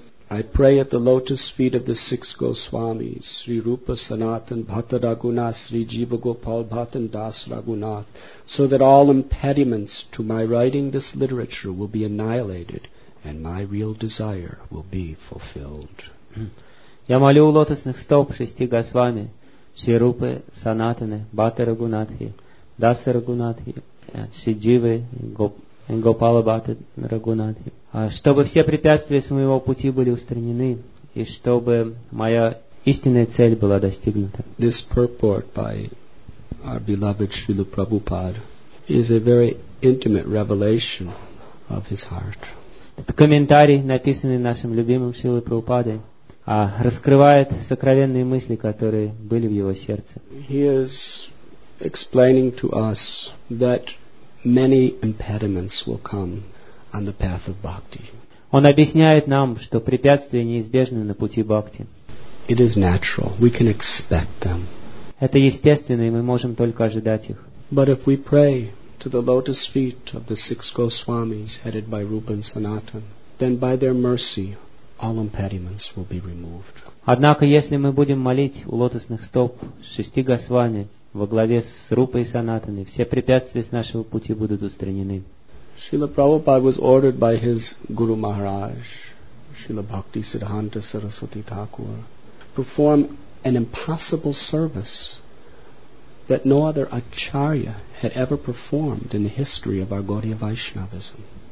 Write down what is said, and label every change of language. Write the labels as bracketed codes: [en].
[en] I pray at the lotus feet of the six Goswamis, Sri Rupa Sanatan Bhata Raghunath, Sri Jiva Gopal Bhatan Das Raghunath, so that all impediments to my writing this literature will be annihilated and my real desire will be fulfilled. [ru] Я молю у лотосных стоп шести Госвами, Шри Рупы Санатаны, Бхата Рагунатхи, Даса Рагунатхи, Шри Дживы, Гопала Бхата Рагунатхи. Чтобы все препятствия с моего пути были устранены, и чтобы моя истинная цель была достигнута. [en] This purport by our beloved Srila Prabhupada is a very intimate revelation of his heart. [ru] Этот комментарий, написанный нашим любимым Шрилой Прабхупадой, раскрывает сокровенные мысли, которые были в его сердце. [en] He is explaining to us that many impediments will come on the path of bhakti. [ru] Он объясняет нам, что препятствия неизбежны на пути бхакти. [en] It is natural. We can expect them. [ru] Это естественно, и мы можем только ожидать их. [en] But if we pray to the lotus feet of the six Goswamis headed by Rupa and Sanatan, then by their mercy all impediments will be removed. [ru] Однако, если мы будем молить у лотосных стоп шести Госвами во главе с Рупой и Санатаной, все препятствия с нашего пути будут устранены. [en] Srila Prabhupada was ordered by his Guru Maharaj, Srila Bhakti Siddhanta Saraswati Thakur, perform an impossible service that no other acharya had ever performed in the history of our Gaudiya Vaishnavism.